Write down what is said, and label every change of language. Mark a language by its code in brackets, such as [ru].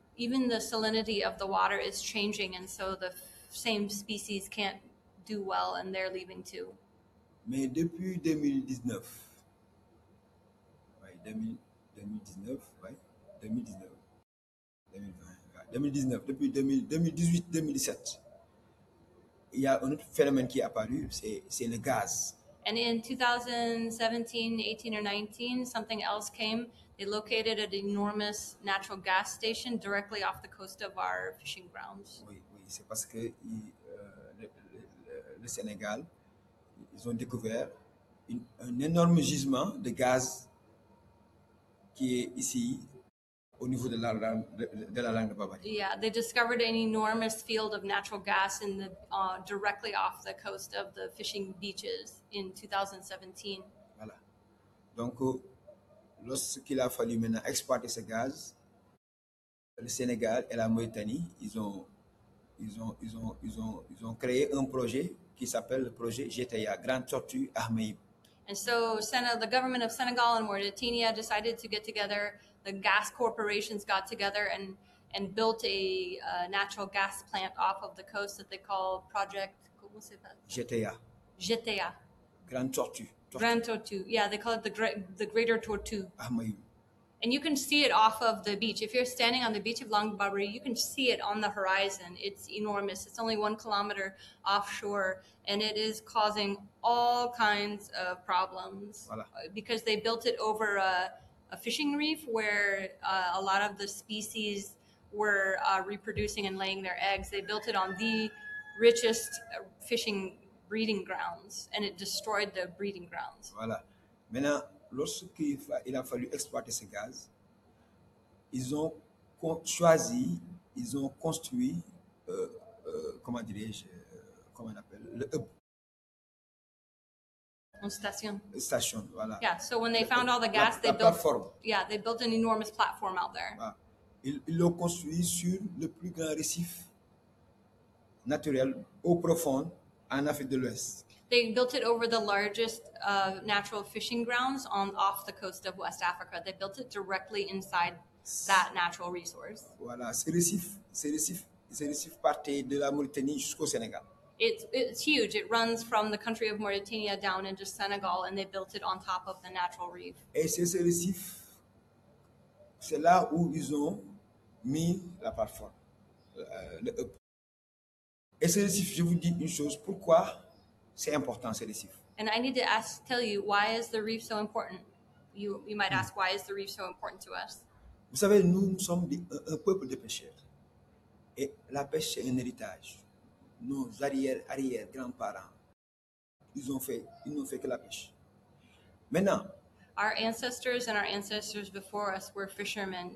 [en] Even the salinity of the water is changing, and so the same species can't do well, and they're leaving too. [fr] Mais depuis 2019, 2018-2017, il y a un autre phénomène qui est apparu, c'est le gaz. [en] And in 2017, 18 or 19, something else came. They located an enormous natural gas station directly off the coast of our fishing grounds. [fr] Oui, c'est parce que le Sénégal, ils ont découvert un énorme gisement de gaz qui est ici au niveau de la langue babaï. [en] Yeah, they discovered an enormous field of natural gas in the directly off the coast of the fishing beaches in 2017. [fr] Voilà. Donc, lorsqu'il a fallu maintenant exploiter ce gaz, le Sénégal et la Mauritanie, ils ont créé un projet qui s'appelle le projet GTIA, Grand Tortue Armée. [en] And so the government of Senegal and Mauritania decided to get together, the gas corporations got together and built a natural gas plant off of the coast that they call Project, [fr] comment c'est pas? GTIA. GTIA. Grand Tortue. [en] Grand Tortue. Yeah, they call it the Greater Tortue. Ahmayou. And you can see it off of the beach. If you're standing on the beach of Langue Babaï, you can see it on the horizon. It's enormous. It's only 1 kilometer offshore. And it is causing all kinds of problems. [fr] Voilà. [en] Because they built it over a fishing reef where a lot of the species were reproducing and laying their eggs. They built it on the richest fishing breeding grounds. And it destroyed the breeding grounds. [fr] Voilà. Maintenant, lorsqu'il a fallu exploiter ce gaz, ils ont construit comment dirais-je, comment on appelle, le hub. Station, voilà. [en] Yeah, so when they found all the gas, they built an enormous platform out there. [fr] Ils l'ont construit sur le plus grand récif naturel, eau profonde, en Afrique de l'Ouest. [en] They built it over the largest natural fishing grounds on off the coast of West Africa. They built it directly inside that natural resource. [fr] Voilà, ce récif partait de la Mauritanie jusqu'au Sénégal. [en] It's huge. It runs from the country of Mauritania down into Senegal, and they built it on top of the natural reef. [fr] Et c'est ce récif, c'est là où ils ont mis la plateforme, le hub. Et ce récif, je vous dis une chose, pourquoi c'est important ce récif? [en] And I need to tell you, why is the reef so important? You might ask, why is the reef so important to us? [fr] Vous savez, nous sommes un peuple de pêcheurs. Et la pêche, c'est un héritage. Nos arrière grands-parents, ils n'ont fait que la pêche. Maintenant, [en] our ancestors and our ancestors before us were fishermen.